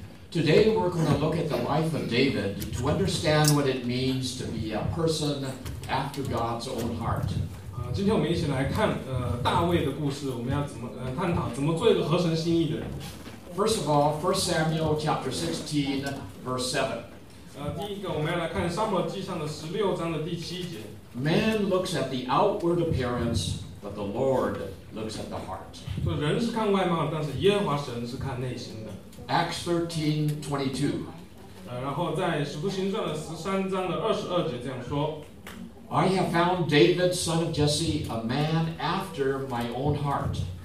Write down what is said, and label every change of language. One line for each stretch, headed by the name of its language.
English: Today we're going to look at the life of David to understand what it means to be a person after God's own heart.
Chinese: 今天我们一起来看大卫的故事，我们要怎么探讨怎么做一个合神心意的人。
English: First of all, 1 Samuel chapter 16, verse 7.
Chinese: 第一个我们要来看撒母耳记上的16章的第7节。
English: Man looks at the outward appearance, but the Lord looks at the heart.
Chinese: 人是看外貌，但是耶和华神是看内心的。
English: Acts 13:22.
Chinese: 然后在使徒行传的13章的22节这样说。
English: I have found David, son of Jesse, a man after my own heart.